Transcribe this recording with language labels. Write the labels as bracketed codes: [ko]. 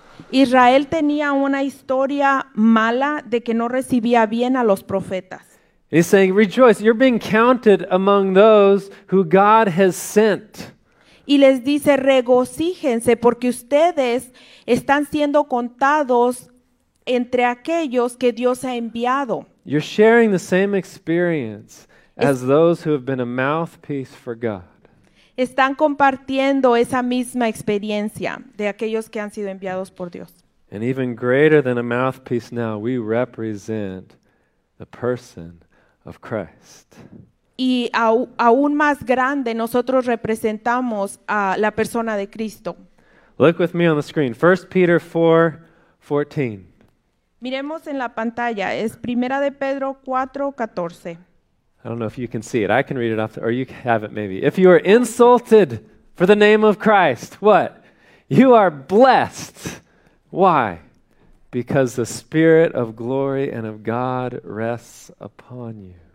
[es] Israel tenía una historia mala de que no recibía bien a los profetas. [en] He's saying, rejoice, you're being counted among those who God has sent. [es] Y les dice, regocíjense, porque ustedes están siendo contados entre aquellos que Dios ha enviado. [en] You're sharing the same experience as those who have been a mouthpiece for God. [es] Están compartiendo esa misma experiencia de aquellos que han sido enviados por Dios. [en] And even greater than a mouthpiece now, we represent the person of Christ. [es] Y aún más grande, nosotros representamos a la persona de Cristo. [en] Look with me on the screen. 1 Peter 4:14. [es] Miremos en la pantalla, es Primera de Pedro 4:14. [en] I don't know if you can see it. I can read it off, or you have it maybe. If you are insulted for the name of Christ, what? You are blessed. Why? Because the Spirit of glory and of God rests upon you.